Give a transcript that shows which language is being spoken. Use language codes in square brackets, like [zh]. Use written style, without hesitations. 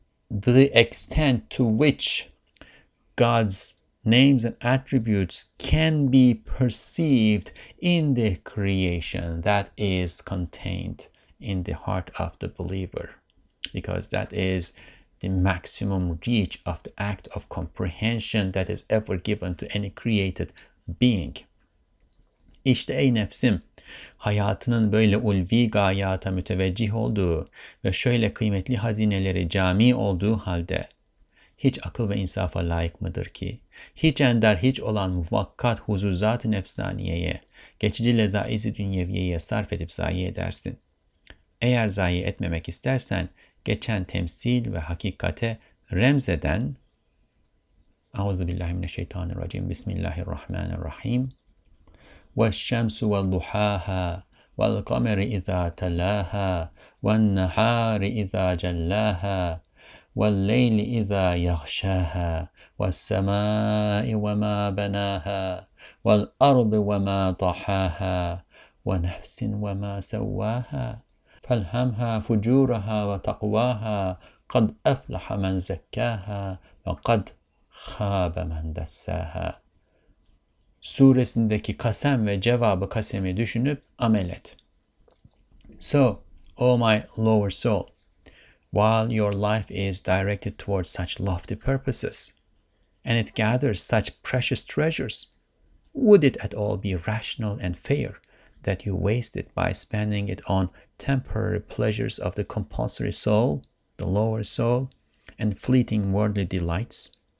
[en] The extent to which God's names and attributes can be perceived in the creation, that is contained in the heart of the believer, because that is the maximum reach of the act of comprehension that is ever given to any created being. [tr] İşte ey nefsim, hayatının böyle ulvi gayata müteveccih olduğu ve şöyle kıymetli hazineleri cami olduğu halde hiç akıl ve insafa layık mıdır ki? Hiç ender hiç olan muvakkat huzur zat-ı nefsaniyeye, geçici lezaiz-i dünyeviyeye sarf edip zayi edersin. Eğer zayi etmemek istersen, geçen temsil ve hakikate remzeden, [ar] Euzubillahimineşşeytanirracim, Bismillahirrahmanirrahim, وَالشَّمْسُ وَالْضُحَاهَا وَالْقَمَرِ اِذَا تَلَاهَا وَالنَّهَارِ اِذَا جَلَّاهَا وَاللَّيْلِ إِذَا يَغْشَاهَا وَالسَّمَاءِ وَمَا بَنَاهَا وَالْأَرْضِ وَمَا طَحَاهَا وَنَفْسٍ وَمَا سَوَّاهَا فَالْهَمْهَا فُجُورَهَا وَتَقْوَاهَا قَدْ أَفْلَحَ مَنْ زَكَّاهَا وَقَدْ خَابَ مَنْ دَسَّاهَا. [tr] Suresindeki kasem ve cevabı kasemi düşünüp amel et. [en] So, O my lower soul, while your life is directed towards such lofty purposes, and it gathers such precious treasures, would it at all be rational and fair that you waste it by spending it on temporary pleasures of the compulsory soul, the lower soul, and fleeting worldly delights?